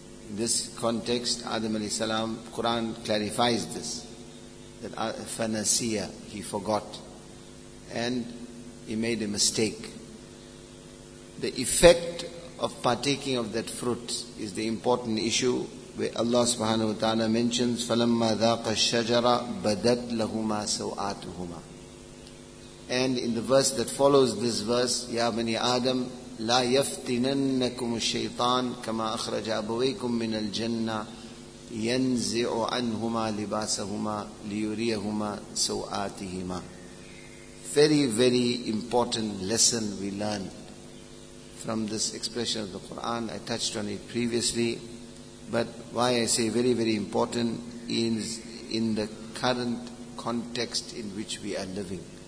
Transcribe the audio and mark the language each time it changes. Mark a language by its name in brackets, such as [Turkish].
[English] In this context, Adam alayhi salam, Quran clarifies this, that fanasiya, he forgot, and he made a mistake. The effect of partaking of that fruit is the important issue, where Allah subhanahu wa ta'ala mentions, [Arabic] فَلَمَّا ذَاقَ الشَّجَرَ بَدَتْ لَهُمَا سَوْآتُهُمَا. [English] And in the verse that follows this verse, [Arabic] يَا بَنِي آدَمْ لَا يَفْتِنَنَّكُمُ الشَّيْطَانِ كَمَا أَخْرَجَ أَبَوَيْكُمْ مِنَ الْجَنَّةِ يَنْزِعُ عَنْهُمَا لِبَاسَهُمَا لِيُرِيَهُمَا سَوْآتِهِمَا. [English] Very, very important lesson we learn from this expression of the Quran. I touched on it previously, but why I say very, very important is in the current context in which we are living.